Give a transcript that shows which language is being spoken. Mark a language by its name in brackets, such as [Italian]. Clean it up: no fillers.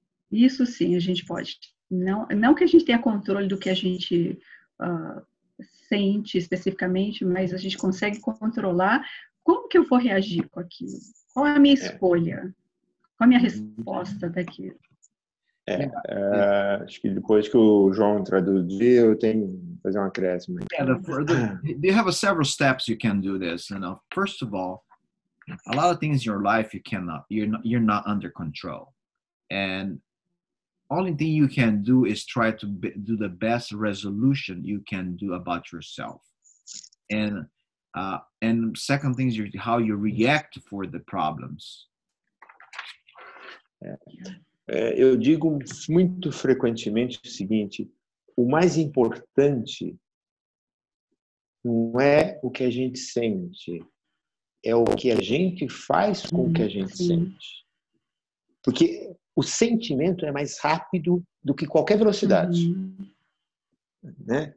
[Portuguese] Isso sim, a gente pode. Não que a gente tenha controle do que a gente sente especificamente, mas a gente consegue controlar como que eu vou reagir com aquilo. Qual é a minha escolha? Qual a minha resposta daquilo? Acho que depois que o João traduzir, eu tenho que fazer um acréscimo. [English] They have several steps you can do this. You know, first of all, a lot of things in your life you're not under control, and only thing you can do is try to do the best resolution you can do about yourself. And second thing is how you react for the problems. [Portuguese] Eu digo muito frequentemente o seguinte: o mais importante não é o que a gente sente, é o que a gente faz com o que a gente sente. Porque o sentimento é mais rápido do que qualquer velocidade. Né?